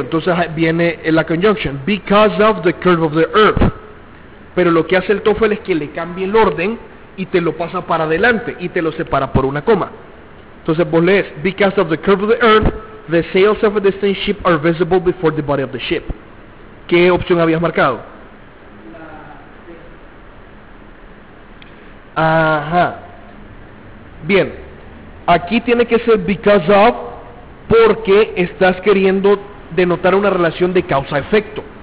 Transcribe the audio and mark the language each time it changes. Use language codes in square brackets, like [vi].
[es] Entonces viene la conjunction, [en] because of the curve of the earth. [es] Pero lo que hace el TOEFL es que le cambia el orden y te lo pasa para adelante y te lo separa por una coma. Entonces vos lees, [en] because of the curve of the earth, the sails of a distant ship are visible before the body of the ship. [es] ¿Qué opción habías marcado? Ajá. Bien. Aquí tiene que ser because of, porque estás queriendo denotar una relación de causa-efecto.